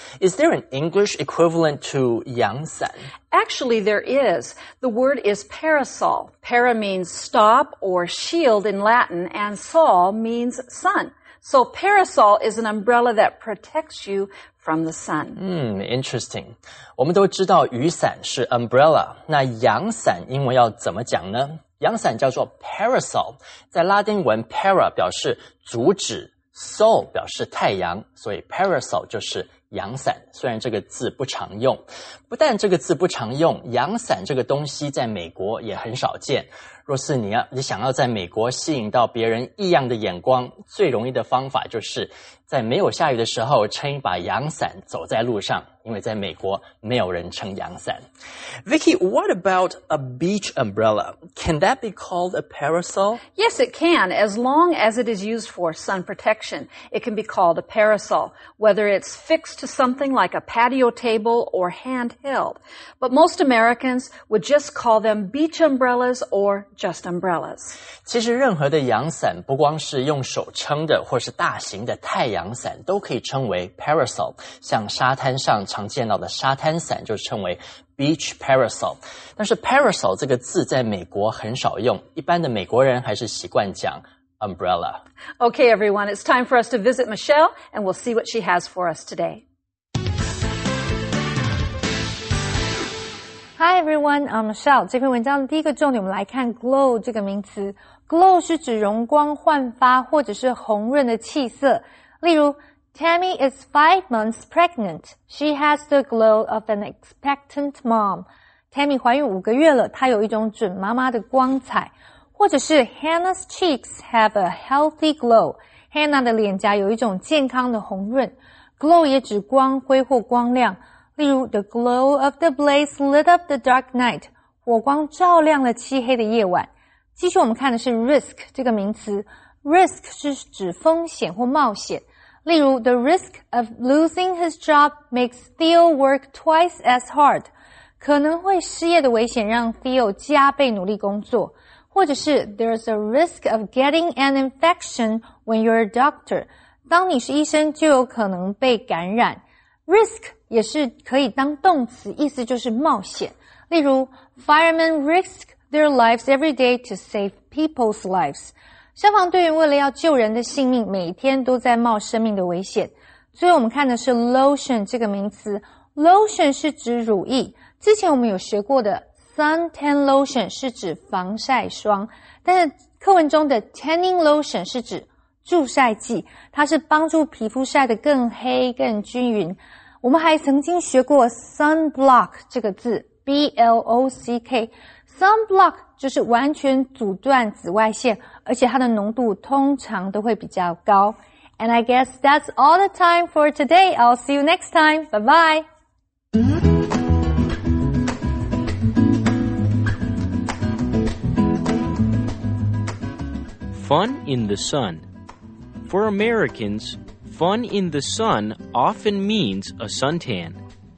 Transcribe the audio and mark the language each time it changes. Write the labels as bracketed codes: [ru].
[en] Is there an English equivalent to 阳伞? Actually, there is. The word is parasol. Para means stop or shield in Latin, and sol means sun. So parasol is an umbrella that protects you from the sun. Interesting. [zh] 我们都知道雨伞是 umbrella, 那阳伞英文要怎么讲呢？阳伞叫做 parasol, 在拉丁文 para 表示阻止 ,sol 表示太阳，所以 parasol 就是阳伞，虽然这个字不常用。不但这个字不常用，阳伞这个东西在美国也很少见。若是你想要在美国吸引到别人异样的眼光，最容易的方法就是在没有下雨的时候撑一把阳伞走在路上，因为在美国没有人撑阳伞。 [en] Vicky, what about a beach umbrella? Can that be called a parasol? Yes, it can. As long as it is used for sun protection, it can be called a parasol, whether it's fixed to something like a patio table or handheld. But most Americans would just call them beach umbrellas or just umbrellas. [zh] 其实任何的阳伞不光是用手撑的或是大型的太阳伞都可以称为 parasol, 像沙滩上常见到的沙滩伞就称为 beach parasol, 但是 parasol 这个字在美国很少用，一般的美国人还是习惯讲 umbrella. [en] Okay, everyone, it's time for us to visit Michelle, and we'll see what she has for us today. Hi, everyone, I'm Michelle. [zh] 这篇文章的第一个重点，我们来看 glow 这个名词。Glow 是指容光焕发或者是红润的气色，例如 [en] Tammy is 5 months pregnant. She has the glow of an expectant mom. [zh] Tammy 怀孕5个月了，她有一种准妈妈的光彩。或者是 [en] Hannah's cheeks have a healthy glow. [zh] Hannah 的脸颊有一种健康的红润。Glow 也指光辉或光亮。例如 [en] The glow of the blaze lit up the dark night. [zh] 火光照亮了漆黑的夜晚。继续我们看的是 risk 这个名词。 Risk 是指风险或冒险。例如 [en] The risk of losing his job makes Theo work twice as hard. [zh] 可能会失业的危险让 Theo 加倍努力工作。或者是 [en] There's a risk of getting an infection when you're a doctor. [zh] 当你是医生就有可能被感染。Risk 也是可以当动词，意思就是冒险。例如 [en] Firemen risk their lives every day to save people's lives. [zh] 消防队员为了要救人的性命，每天都在冒生命的危险。最后我们看的是 lotion 这个名词。lotion 是指乳液，之前我们有学过的 suntan lotion 是指防晒霜，但是课文中的 tanning lotion 是指助晒剂，它是帮助皮肤晒得更黑更均匀。我们还曾经学过 sunblock 这个字， B-L-O-C-K。 sunblock 就是完全阻断紫外线，而且它的浓度通常都会比较高。 [en] And I guess that's all the time for today. I'll see you next time. Bye bye. Fun in the sun. For Americans, fun in the sun often means a suntan.